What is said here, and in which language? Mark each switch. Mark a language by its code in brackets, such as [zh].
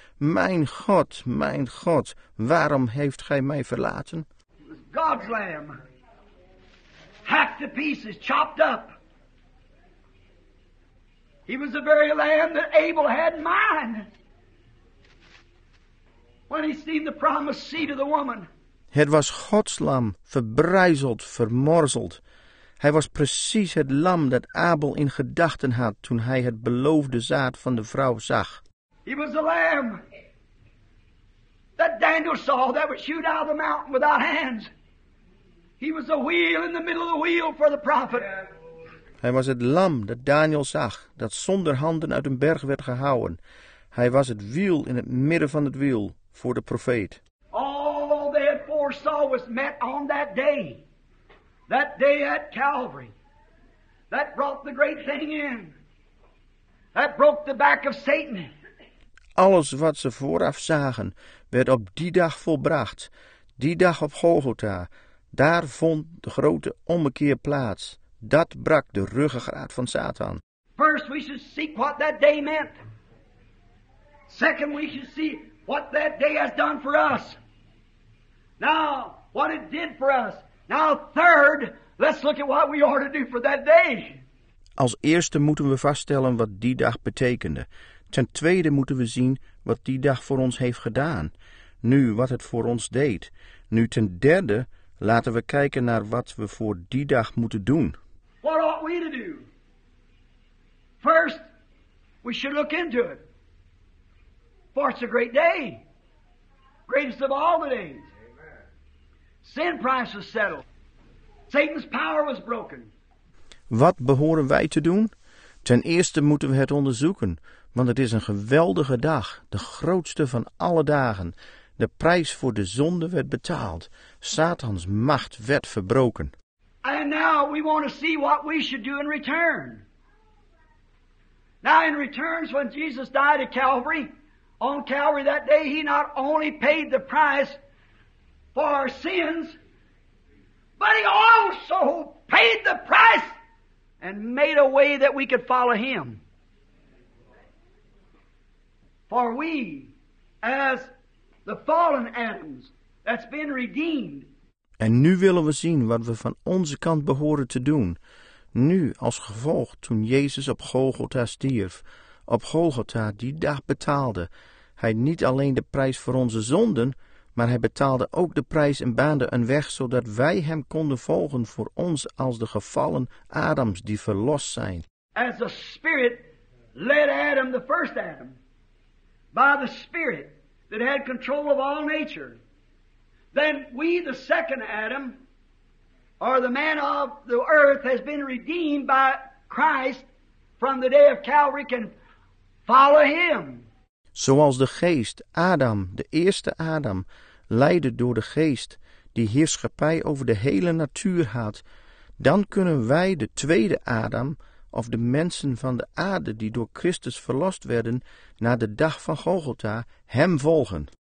[nl] Mijn God, waarom heeft gij mij verlaten? [en] God's lam, hacked to pieces, chopped up. He was the very lamb that Abel had in mind. When he seen the promised seed of the woman. [nl] Het was Gods lam, verbrijzeld, vermorzeld. Hij was precies het lam dat Abel in gedachten had toen hij het beloofde zaad van de vrouw zag. [en] He was the lamb that Daniel saw that would shoot out of the mountain without hands. He was the wheel in the middle of the wheel for the prophet. [nl] Hij was het lam dat Daniel zag dat zonder handen uit een berg werd gehouden. Hij was het wiel in het midden van het wiel. [en] For the prophet. All they had foresaw was met on that day at Calvary, that brought the great thing in, that broke the back of Satan. [nl] Alles wat ze vooraf zagen, werd op die dag volbracht, die dag op Golgotha. Daar vond de grote ommekeer plaats. Dat brak de ruggengraat van Satan. [en] First we should seek what that day meant. Second we should see what that day has done for us. Now, what it did for us. Now, third, let's look at what we ought to do for that day. [nl] Als eerste moeten we vaststellen wat die dag betekende. Ten tweede moeten we zien wat die dag voor ons heeft gedaan. Nu, wat het voor ons deed. Nu, ten derde, laten we kijken naar wat we voor die dag moeten doen. [en] What ought we to do? First, we should look into it. For it's a great day. Greatest of all the days. Amen. Sin price was settled. Satan's power was broken. [nl] Wat behoren wij te doen? Ten eerste moeten we het onderzoeken, want het is een geweldige dag, de grootste van alle dagen. De prijs voor de zonde werd betaald. Satans macht werd verbroken. [en] And now we want to see what we should do in return. Now in return, when Jesus died at Calvary, on Calvary that day, he not only paid the price for our sins, but he also paid the price and made a way that we could follow him. For we, as the fallen Adams, that's been redeemed. [nl] En nu willen we zien wat we van onze kant behoren te doen. Nu, als gevolg, toen Jezus op Golgotha stierf, op Golgotha die dag betaalde, hij niet alleen de prijs voor onze zonden, maar hij betaalde ook de prijs en baande een weg, zodat wij hem konden volgen voor ons als de gevallen Adams die verlost zijn. [en] As the Spirit led Adam, the first Adam, by the Spirit that had control of all nature, then we, the second Adam, or the man of the earth, has been redeemed by Christ from the day of Calvary, can follow him. [nl] Zoals de geest, Adam, de eerste Adam, leidde door de geest die heerschappij over de hele natuur had, dan kunnen wij de tweede Adam, of de mensen van de aarde die door Christus verlost werden, na de dag van Golgotha, hem volgen.